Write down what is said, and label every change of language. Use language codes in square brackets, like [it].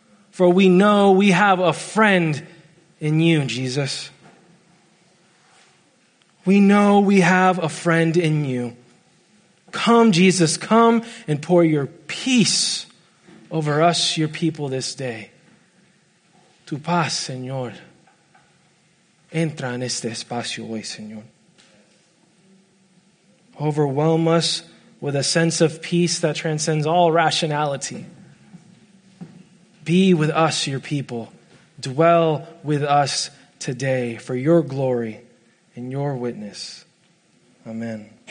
[en] For we know we have a friend in you, Jesus. We know we have a friend in you. Come, Jesus, come and pour your peace over us, your people, this day. [es] Tu paz, Señor. Entra en este espacio hoy, Señor. [en] Overwhelm us with a sense of peace that transcends all rationality. Be with us, your people. Dwell with us today for your glory and your witness. Amen.